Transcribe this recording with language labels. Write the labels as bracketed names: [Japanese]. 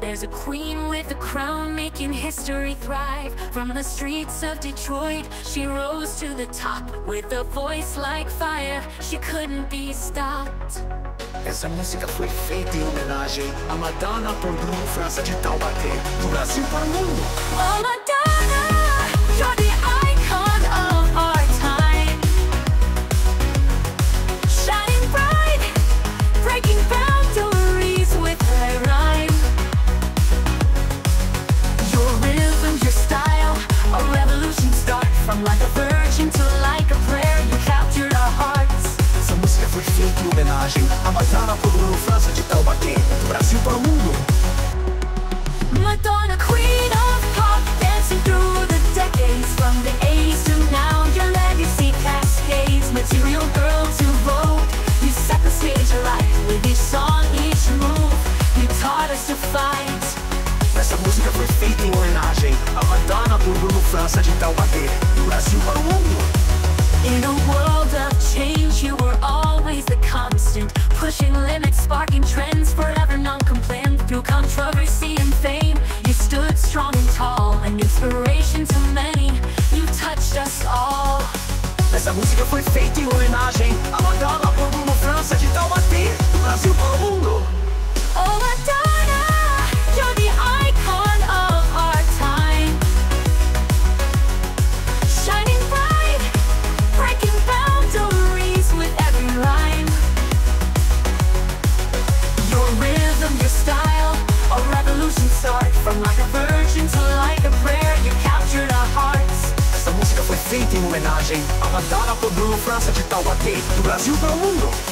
[English] There's a queen with a crown making history thrive. From the streets of Detroit, she rose to the top. With a voice like fire, she couldn't be stopped. [Portuguese] Essa música foi feita em homenagem a Madonna por Bruno França de Taubaté, do Brasil para o mundo. [English] Oh, Madonna, you're the icon of our time. Shining bright, breaking boundaries with her rhyme. Your rhythm, your style, a revolution start from like a virgin to like a prayer. You captured our hearts. [Portuguese] Essa música foi feita em homenagem a Madonna por Bruno França de Taubaté, do Brasil para o mundo. [English] Madonna, queen of pop, dancing through the decades. From the 80s to now, your legacy cascades. Material girl to vote, you set the stage alight. With each song, each move, you taught us to fight. [Portuguese] Essa música foi feita em homenagem a Madonna por Bruno França de Taubaté, do Brasil para o mundo. [English] In a world of change, you were always the constant. Pushing limits, sparking trends, forever non-compliant. Through controversy and fame, you stood strong and tall. An inspiration to many, you touched us all. [Portuguese] Essa música foi feita em homenagem a Madonna por Bruno França de Taubaté, do Brasil para o mundo. [English] Oh, Madonna, you're the icon of our time. Shining bright, breaking boundaries with every rhyme. Your rhythm, your style, a revolution start. From like a virgin to like a prayer, you captured our hearts. [Portuguese] Essa música foi feita em homenagem a Madonna por Bruno França de Taubaté, do Brasil para o mundo.